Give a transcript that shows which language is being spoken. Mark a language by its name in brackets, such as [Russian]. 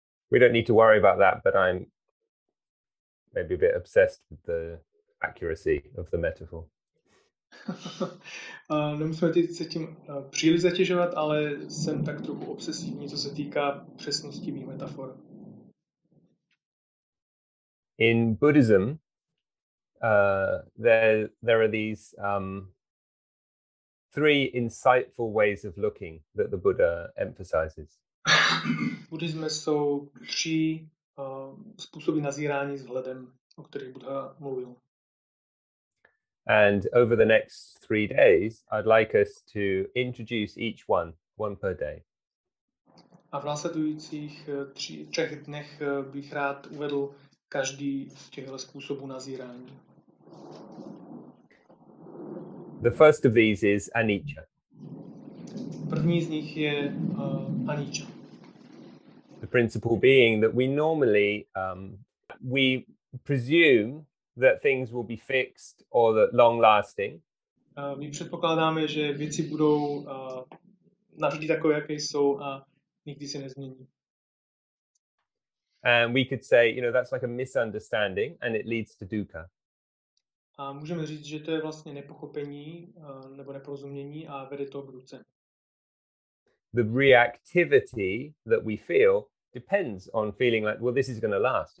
[English] We don't need to worry about that, but I'm maybe a bit obsessed with the accuracy of the metaphor. [Czech] Nemusíme se tím příliš zatěžovat, ale jsem tak trochu obsesivní, co se týká přesnosti mých metafor. [English] In Buddhism, there are these three insightful ways of looking that the Buddha emphasizes. [Czech] Buddhisme jsou tři způsoby nazírání s hledem, o kterých Buddha mluvil. [English] And over the next 3 days, I'd like us to introduce each one per day. [Czech] A v následujících třech dnech bych rád uvedl každý z těchto způsobů nazírání. [English] The first of these is anicca. [Czech] První z nich je anicca. [English] The principle being that we normally we presume that things will be fixed or that long lasting. [Czech] My předpokládáme, že věci budou navždy takové, jaké jsou a nikdy se nezmění. [English] And we could say, you know, that's like a misunderstanding and it leads to dukkha. [Czech] A můžeme říct, že to je vlastně nepochopení nebo neporozumění a vede to k dukce. [English] The reactivity that we feel depends on feeling like, well, this is going to last.